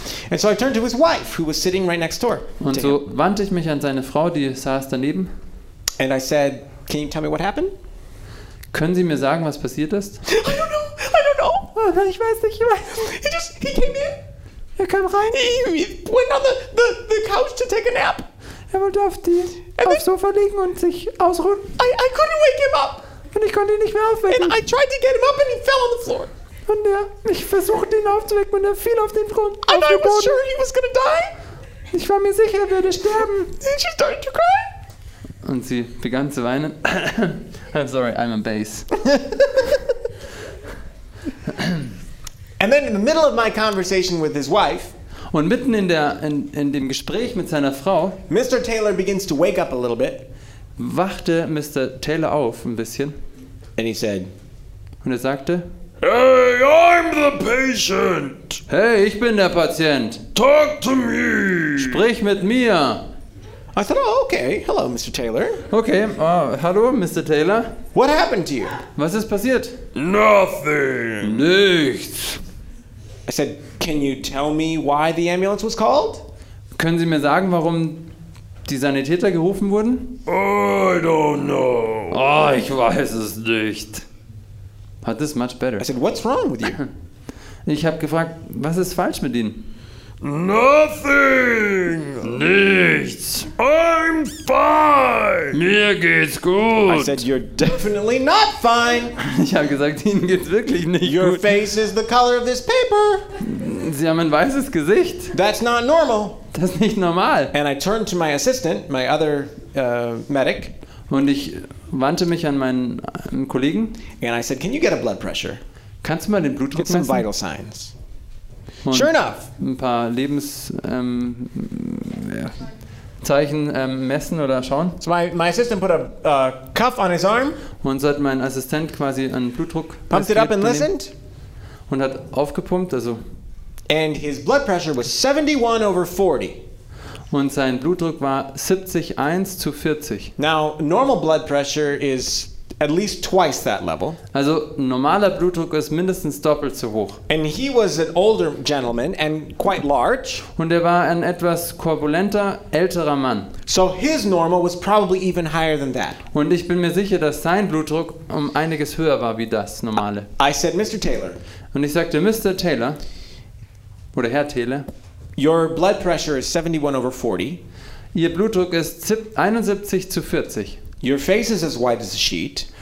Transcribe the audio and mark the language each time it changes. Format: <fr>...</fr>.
<en>and so I turned to his wife, who was sitting right next door.</en> <de>Und so wandte ich mich an seine Frau, die saß daneben.</de> <en>And I said, can you tell me what happened?</en> <de>Können Sie mir sagen, was passiert ist?</de> <en>I don't know.</en> <de>Oh, ich weiß nicht,</de> <en>He came in.</en> <de>Er kam rein.</de> <en>He went on the couch to take a nap.</en> <de>Er wollte auf Sofa liegen und sich ausruhen.</de> <en>I couldn't wake him up.</en> <de>Und ich konnte ihn nicht mehr aufwecken.</de> <en>And I tried to get him up and he fell on the floor.</en> <de>Und ich versuchte ihn aufzuwecken und fiel auf den Grund.</de> <en>And I was sure he was gonna die.</en> <de>Ich war mir sicher, er würde sterben.</de> <en>And she started to cry.</en> <de>Und sie begann zu weinen.</de> <en>I'm sorry, I'm on base. And then in the middle of my conversation with his wife,</en> <de>und mitten in dem Gespräch mit seiner Frau,</de> <en>Mr. Taylor begins to wake up a little bit.</en> <de>Wachte Mr. Taylor auf ein bisschen.</de> <en>And he said,</en> <de>und er sagte,</de> <en>Hey, I'm the patient.</en> <de>Hey, ich bin der Patient.</de> <en>Talk to me.</en> <de>Sprich mit mir.</de> <en>I thought, oh, okay. Hello, Mr. Taylor.</en> <de>Okay. Hallo, Mr. Taylor.</de> <en>What happened to you?</en> <de>Was ist passiert?</de> <en>Nothing.</en> <de>Nichts.</de> <en>I said, can you tell me why the ambulance was called?</en> <de>Können Sie mir sagen, warum die Sanitäter gerufen wurden?</de> <en>I don't know.</en> <de>Oh, ich weiß es nicht.</de> <en>But this is much better. I said, what's wrong with you?</en> <de>Ich habe gefragt, was ist falsch mit Ihnen?</de> <en>Nothing.</en> <de>Nichts.</de> <en>I'm fine.</en> <de>Mir geht's gut.</de> <en>I said, you're definitely not fine.</en> <de>Ich habe gesagt, Ihnen geht's wirklich nicht</de> <en>Your Your face is the color of this paper.</en> <de>Sie haben ein weißes Gesicht.</de> <en>That's not normal.</en> <de>Das ist nicht normal.</de> <en>And I turned to my assistant, my other medic.</en> <de>Und ich wandte mich an meinen Kollegen.</de> <en>And I said, can you get a blood pressure?</en> <de>Kannst du mal den Blutdruck messen?</de> <en>Get some vital signs.</en> <de>Und</de> <en>sure enough.</en> <de>Ein paar Lebens Zeichen messen oder schauen.</de> <en>So my assistant put a cuff on his arm.</en> <de>Und so hat mein Assistent quasi einen Blutdruck</de> <en>pumped it up and listened.</en> <de>Und hat aufgepumpt, also.</de> <en>And his blood pressure was 71 over 40.</en> <de>Und sein Blutdruck war 70:1 zu 40.</de> <en>Now, normal blood pressure is at least twice that level.</en> <de>Also normaler Blutdruck ist mindestens doppelt so hoch.</de> <en>And he was an older gentleman and quite large.</en> <de>Und war ein etwas korpulenter, älterer Mann.</de> <en>So his normal was probably even higher than that.</en> <de>Und ich bin mir sicher, dass sein Blutdruck einiges höher war wie das normale.</de> <en>I said, Mr. Taylor.</en> <de>Und ich sagte, Mr. Taylor, oder Herr Taylor,</de> <en>your blood pressure is 71 over 40.</en> <de>Ihr Blutdruck ist 71 zu 40.</de> <en>Your face is as white as a sheet.</en>